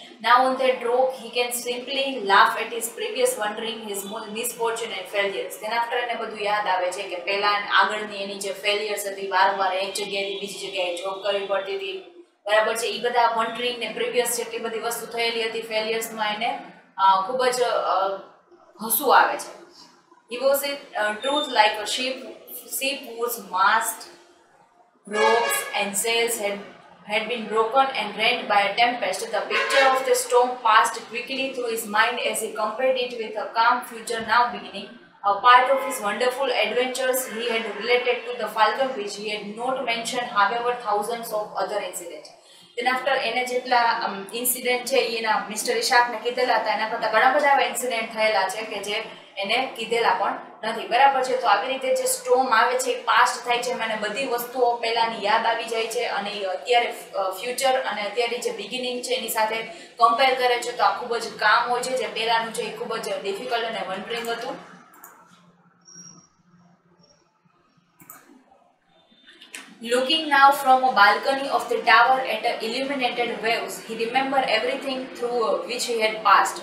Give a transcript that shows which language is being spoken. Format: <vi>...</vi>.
<en>now on that rock he can simply laugh at his previous wandering his more misfortune and failures thereafter</en> <gu>એને બધું યાદ આવે છે કે પહેલા આગળની એની જે ફેલિયર્સ હતી વારંવાર એક જગ્યાએથી બીજી જગ્યાએ જોબ કરવી પડતી હતી બરાબર છે એ બધા વન્ડરિંગ ને પ્રીવિયસ જેટલી બધી વસ્તુ થયેલી હતી ફેલિયર્સમાં એને ખૂબ જ હસવું આવે છે</gu> <en>He was a truth like a ship whose mast, ropes and sails had been broken and rent by a tempest. The picture of the storm passed quickly through his mind as he compared it with a calm future now beginning. A part of his wonderful adventures he had related to the falcon which he had not mentioned however thousands of other incidents. Then after</en> <gu>એને જેટલા incident છે એના mister ઇશાકને કીધેલા હતા એના કરતાં ઘણા બધા incident થયેલા છે કે જે એને કીધેલા પણ નથી બરાબર છે તો આવી રીતે જે સ્ટોર્મ આવે છે એ પાસ્ટ થાય છે મને બધી વસ્તુઓ પહેલાની યાદ આવી જાય છે અને અત્યારે ફ્યુચર અને અત્યારે જે બિગિનિંગ છે એની સાથે કમ્પેર કરે છે તો આ ખૂબ જ કામ હોય છે જે પહેલાનું છે એ ખૂબ જ ડિફિકલ્ટ અને વન્ડરિંગ હતું</gu> <en>Looking now from a balcony of the tower at the illuminated waves, he remembered everything through which he had passed.</en>